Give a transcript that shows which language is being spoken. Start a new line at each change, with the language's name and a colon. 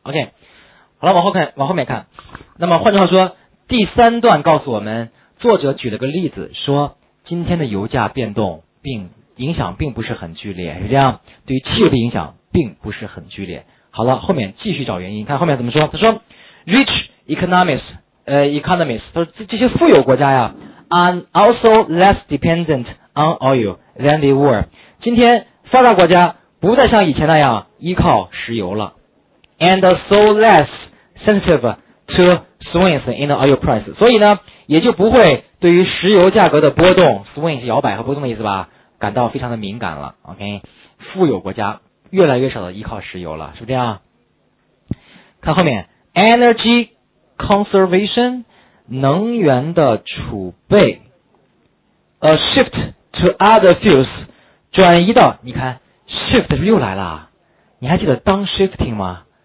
Chinese: OK， 好了，往后看，往后面看。那么换句话说，第三段告诉我们，作者举了个例子，说今天的油价变动并影响并不是很剧烈，是这样，对于汽油的影响并不是很剧烈。好了，后面继续找原因，看后面怎么说。
English: 他说 ，rich economists，
Chinese: 他说这些富有国家呀
English: ，are also less dependent on oil than they were。
Chinese: 今天发达国家不再像以前那样依靠石油了
English: ，and so less sensitive to swings in the oil price。
Chinese: 所以呢，也就不会对于石油价格的波动 ，swing 是摇摆和波动的意思吧，感到非常的敏感了。 OK， 富有国家越来越少的依靠石油了，是不是这样？看后面 ，energy conservation 能源的储备 ，
English: a shift to other fuels
Chinese: 转移到，你看 shift 又来了，你还记得 downshifting 吗？